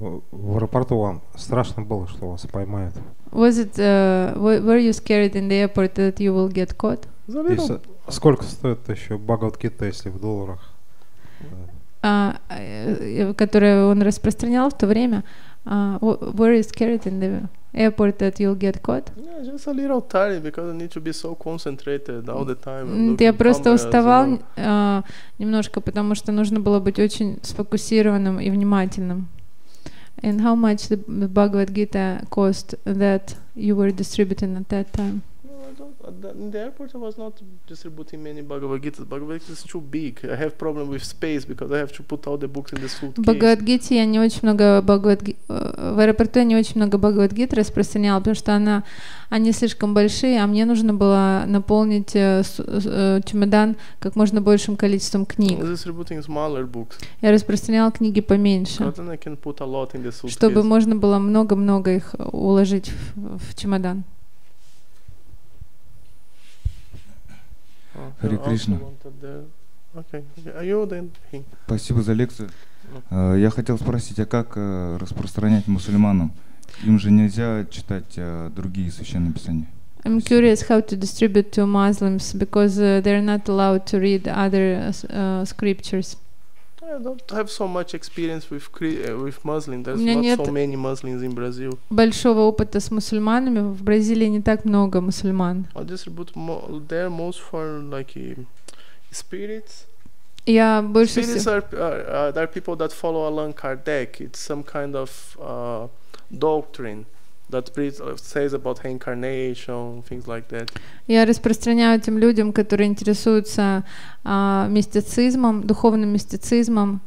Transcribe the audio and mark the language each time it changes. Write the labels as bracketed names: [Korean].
[Russian] В аэропорту вам страшно было, что вас поймают? [English] Was it were you scared in the airport that you will get caught? [Russian] Сколько стоит еще Бхагавад-гита, если в долларах? Которое он распространял в то время. [English] Were you scared in the airport that you'll get caught? Yeah, just a little tired because I need to be so concentrated all the time. [Russian] Я просто уставал немножко, потому что нужно было быть очень сфокусированным и внимательным. [English] And how much the Bhagavad Gita cost that you were distributing at that time? In the airport, I was not distributing many Bhagavad Gita. Bhagavad Gita is too big. I have problem with space because I have to put all the books in the suitcase. [Russian] Bhagavad Gita, я не очень много Bhagavad в аэропорту я не очень много Bhagavad Gita распространял, потому что они слишком большие, а мне нужно было наполнить чемодан как можно большим количеством книг. [English] I was distributing smaller books. [Russian] Я распространял книги поменьше. [English] But then I can put a lot in the suitcase. [Russian] Чтобы можно было много-много их уложить в чемодан. Харе Кришна. [English] Okay. [Russian] Спасибо за лекцию. Я хотел спросить, а как распространять мусульманам? Им же нельзя читать другие священные писания. [English] I'm curious how to distribute to Muslims because they're not allowed to read other scriptures. I don't have so much experience with Muslim. There's not so many Muslims in Brazil. [Russian] Большого опыта с мусульманами в Бразилии не так много мусульман. [English] I distribute there most for like spirits. [Russian] Я больше [English] spirits there are people that follow Allan Kardec. It's some kind of doctrine that says about reincarnation, things like that. [Russian] Я распространяю тем людям, которые интересуются мистицизмом, духовным мистицизмом.